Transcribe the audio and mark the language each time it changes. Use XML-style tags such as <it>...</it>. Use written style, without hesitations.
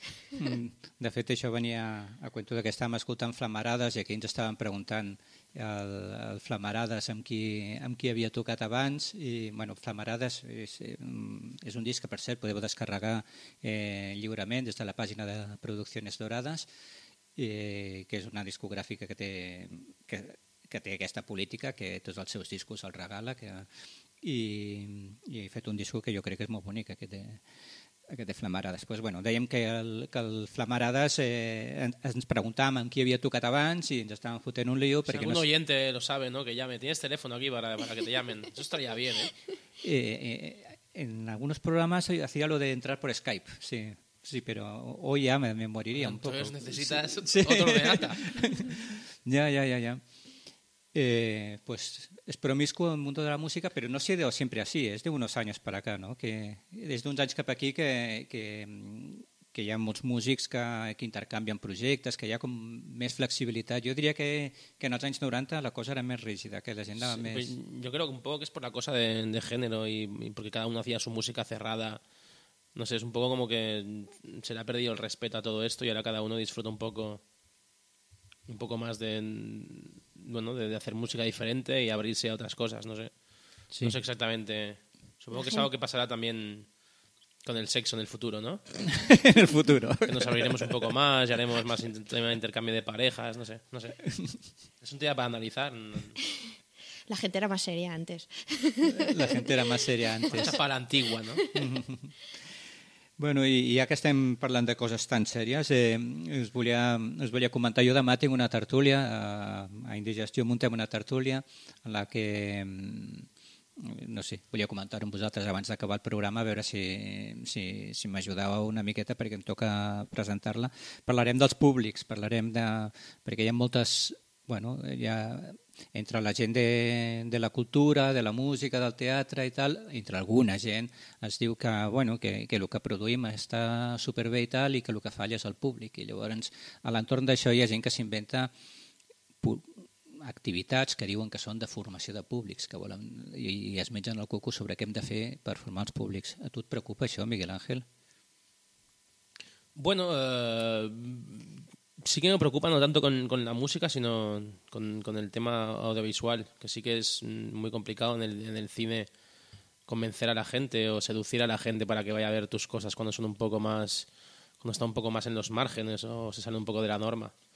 <ca>De fet, això venia a cuento que estàvem escoltant Flamarades i aquí ens estàvem preguntant el Flamarades amb qui havia tocat abans i bueno, Flamarades és un disc que per cert podeu descarregar lliurement des de la pàgina de Producciones Doradas, que és una discogràfica que té aquesta política que tots els seus discos els regala i he fet un disc que jo crec que és molt bonic aquest de Flamarades. Pues, bueno, dèiem que el Flamarades ens preguntàvem amb qui havia tocat abans i ens estàvem fotent un lío.</ca> <es>Si algun oyente lo sabe, ¿no?, que llame. Tienes teléfono aquí para que te llamen. Eso estaría bien, ¿eh? En algunos programas hacía lo de entrar por Skype, sí. Sí, pero hoy ya me moriría un poco. Entonces necesitas sí. Otro de data. Ya. Pues es promiscuo el mundo de la música,</es> <ca>però no s'ha deu sempre així, és d'uns anys per acá, no? Que des d'uns anys cap aquí que hi ha molts músics que intercanvien projectes, que hi ha com més flexibilitat. Jo diria que en els anys 90 la cosa era més rígida, que la gent anava sí, més... Jo crec que un poc és per la cosa de gènere i perquè cada un</ca> <es>hacía su música cerrada. No sé,</es> <ca>és un poc com que</ca> <es>se le ha perdido el respeto a todo esto y ahora cada uno disfruta un poco más de... Bueno, de hacer música diferente y abrirse a otras cosas, no sé. Sí. No sé exactamente. Supongo que es algo que pasará también con el sexo en el futuro, ¿no? En el futuro. Que nos abriremos un poco más y haremos más intercambio de parejas, no sé. Es un tema para analizar. La gente era más seria antes. La gente era más seria antes. Esa para la antigua, ¿no?</es> <ca>Bueno, i ja que estem parlant de coses tan sèries, us volia comentar, jo demà tinc una tertúlia, a Indigestió muntem una tertúlia en la que, no sé, volia comentar amb vosaltres abans d'acabar el programa, a veure si m'ajudava una miqueta perquè em toca presentar-la. Parlarem dels públics, perquè hi ha moltes, bueno, hi ha... entre la gent de la cultura, de la música, del teatre i tal, entre alguna gent es diu que, bueno, que el que produïm està superbé i tal, i que el que falla és el públic. I llavors, a l'entorn d'això hi ha gent que s'inventa activitats que diuen que són de formació de públics, que volen, i es mengen el cucu sobre què hem de fer per formar els públics. A tu et preocupa això, Miguel Ángel?</ca> <es>Bueno, sí que me preocupa no tanto con la música, sino con el tema audiovisual, que sí que es muy complicado en el cine convencer a la gente o seducir a la gente para que vaya a ver tus cosas cuando son un poco más, cuando está un poco más en los márgenes o se sale un poco de la norma.</es>